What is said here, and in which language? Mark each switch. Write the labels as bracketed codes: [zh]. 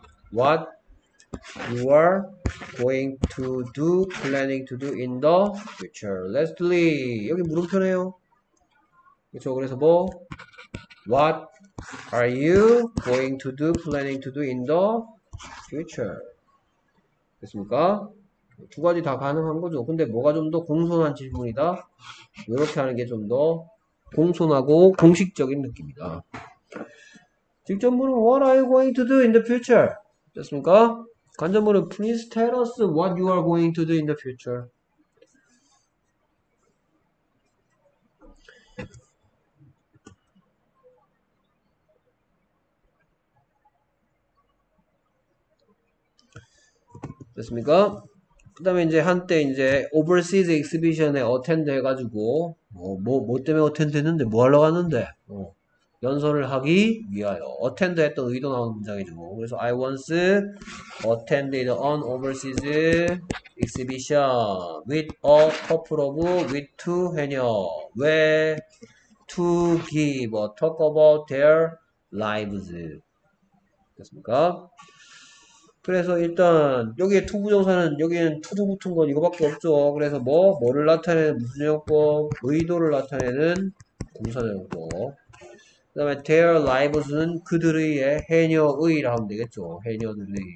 [en] What you are going to do, planning to do in the future. Lastly, [ko] 여기 물음표네요. 그렇죠. 그래서 뭐 [en] What are you going to do, planning to do in the future? [ko] 됐습니까? 두 가지 다 가능한 거죠. 근데 뭐가 좀더 공손한 질문이다? 이렇게 하는 게좀더 공손하고 공식적인 느낌이다. 직접 물은 [en] What are you going to do in the future? [ko] 됐습니까? 간접물은 [en] Please tell us what you are going to do in the future. [ko] 됐습니까? 그 다음에 이제 한때 이제 [en] overseas exhibition [ko] 에 attend 해가지고 뭐 때문에 attend 했는데 뭐 하러 갔는데 연설을 하기 위하여 attend 했던 의도 나오는 문장이죠. 그래서 [en] I once attended an overseas exhibition with a couple of with two 해녀 where to give a talk about their lives. [ko] 됐습니까? 그래서 일단 여기에 to 부정사는 여기는 to do 붙은 건 이거밖에 없죠. 그래서 뭐를 나타내는 무슨 용법, 의도를 나타내는 동사적 용법. 그다음에 their lives는 그들의 해녀의라고 하면 되겠죠. 해녀들의.